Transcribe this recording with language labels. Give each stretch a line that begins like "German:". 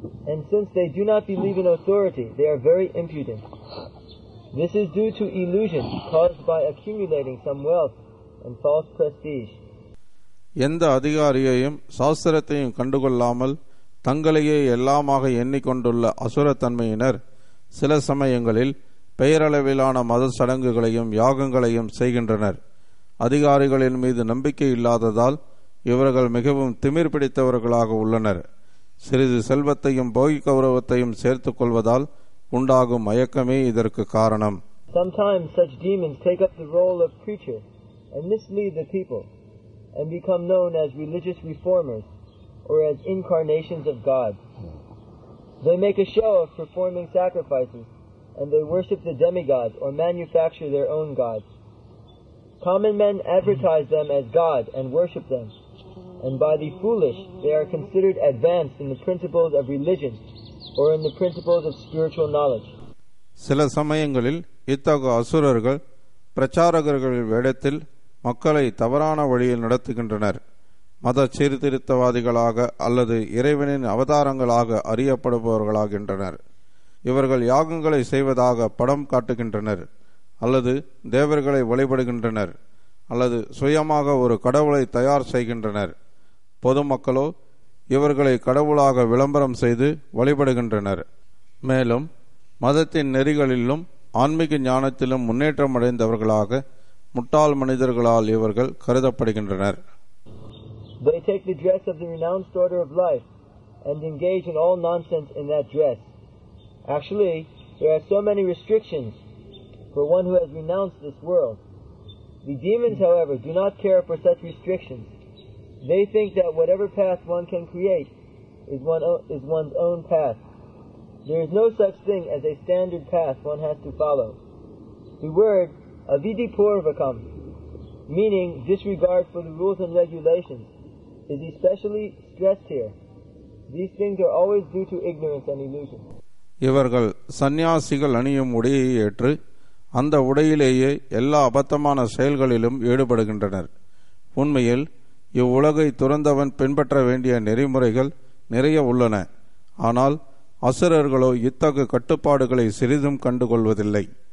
English: And since they do not believe in authority, they are very impudent. This is due to illusion caused by accumulating some wealth and false prestige.
Tamil: எந்த அதிகாரியையும் சாஸ்திரத்தையும் கண்டுகொள்ளாமல் தங்களையே எல்லாமாக எண்ணிக்கொண்டுள்ள அசுரத்தன்மையினர் சில சமயங்களில் பெயரளவிலான மத சடங்குகளையும் யாகங்களையும் செய்கின்றனர். அதிகாரிகளின் மீது நம்பிக்கை இல்லாததால் இவர்கள் மிகவும் திமிர் பிடித்தவர்களாக உள்ளனர். சிறிது செல்வத்தையும் போகிக் கௌரவத்தையும் சேர்த்துக் கொள்வதால் உண்டாகும் மயக்கமே இதற்கு காரணம்.
English: Sometimes such demons take up the role of preacher and mislead the people and become known as religious reformers or as incarnations of God. They make a show of performing sacrifices and they worship the demigods or manufacture their own gods. Common men advertise them as God and worship them. And by the foolish, they are considered advanced in the principles of religion or in the principles of spiritual knowledge.
Tamil: சில சமயங்களில் இத்தகு அசுரர்கள் பிரச்சாரகர்களின் வேடத்தில் மக்களை தவறான வழியில் நடத்துகின்றனர். மத சீர்திருத்தவாதிகளாக அல்லது இறைவனின் அவதாரங்களாக அறியப்படுபவர்களாகின்றனர். இவர்கள் யாகங்களை செய்வதாக படம் காட்டுகின்றனர் அல்லது தேவர்களை வழிபடுகின்றனர். அல்லது சுயமாக ஒரு கடவுளை தயார் செய்கின்றனர். பொதுமக்களோ இவர்களை கடவுளாக விளம்பரம் செய்து வழிபடுகின்றனர். மேலும் மதத்தின் நெறிகளிலும் ஆன்மீக ஞானத்திலும் முன்னேற்றம் அடைந்தவர்களாக முட்டாள் மனிதர்களால் இவர்கள் கருதப்படுகின்றனர்.
English: They take the dress of the renounced order of life and engage in all nonsense in that dress. Actually, there are so many restrictions for one who has renounced this world. The demons, however, do not care for such restrictions. They think that whatever path one can create is one's own path. There is no such thing as a standard path one has to follow. The word avidipurvakam, meaning disregard for the rules and regulations, is especially stressed here. These things are always due to ignorance and illusion.
Tamil: இவர்கள் சந்நியாசிகள் அணியும் உடையை ஏற்று அந்த உடையிலேயே எல்லா அபத்தமான செயல்களிலும் ஈடுபடுகின்றனர். உண்மையில் இவ்வுலகை துறந்தவன் பின்பற்ற வேண்டிய நெறிமுறைகள் நிறைய உள்ளன. ஆனால் அசுரர்களோ இத்தகு கட்டுப்பாடுகளை சிறிதும் கண்டுகொள்வதில்லை.